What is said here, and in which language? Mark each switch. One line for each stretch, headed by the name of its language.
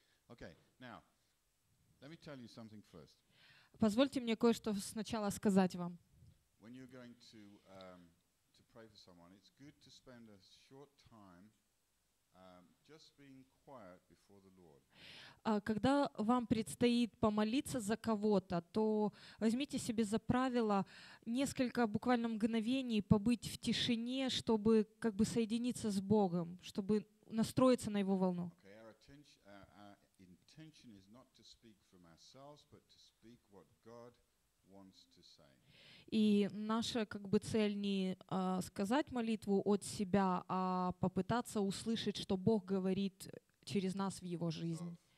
English: Okay. Now, let me tell you something first.
Russian: Позвольте мне кое-что сначала сказать вам.
English: When you're going to to pray for someone, it's good to spend a short time. Just being quiet before the Lord.
Russian: Когда вам предстоит помолиться за кого-то, то возьмите себе за правило несколько буквально мгновений побыть в тишине, чтобы как бы соединиться с Богом, чтобы настроиться на Его волну.
English: Okay, our intention is not to speak from ourselves, but to speak what God wants to say.
Russian: И наша как бы цель не сказать молитву от себя, а попытаться услышать, что Бог говорит через нас в его жизни.